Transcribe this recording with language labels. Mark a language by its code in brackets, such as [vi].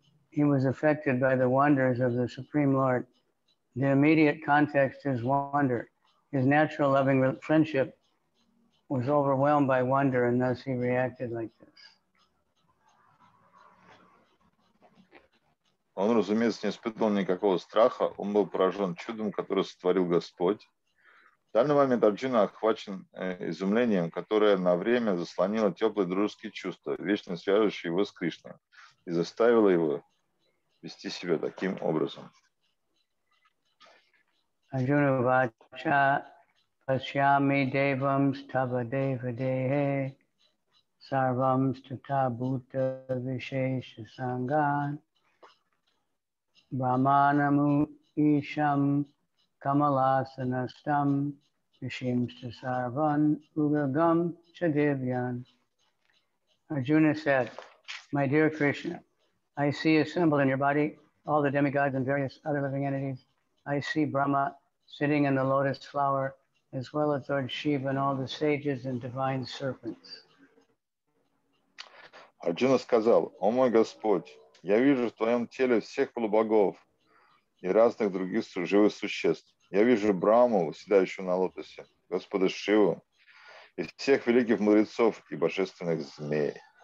[en] He was affected by the wonders of the Supreme Lord. The immediate context is wonder. His natural loving friendship was overwhelmed by wonder, and thus he reacted like this. [ru] Он, разумеется, не испытывал никакого страха. Он был поражен чудом, которое сотворил Господь. В данный момент Арджуна охвачен изумлением, которое на время заслонило теплые дружеские чувства, вечно связывающие его с Кришной, и заставило его вести себя таким образом. [sa] Арджуна вача пасьями девам става дева дехе sarvam stita bhuta vishesha sangan brahmanamu isham kamalasanastam vishim sarvan ugagam chadevyan. [en] Arjuna said, my dear Krishna, I see assembled in your body all the demigods and various other living entities. I see Brahma sitting in the lotus flower, as well as Lord Shiva and all the sages and divine serpents. [ru] Арджуна сказал, о мой Господь, я вижу в твоем теле всех полубогов и разных других живых существ. Я вижу Брахму, сидящую на лотосе, Господа Шиву и всех великих мудрецов и божественных змей.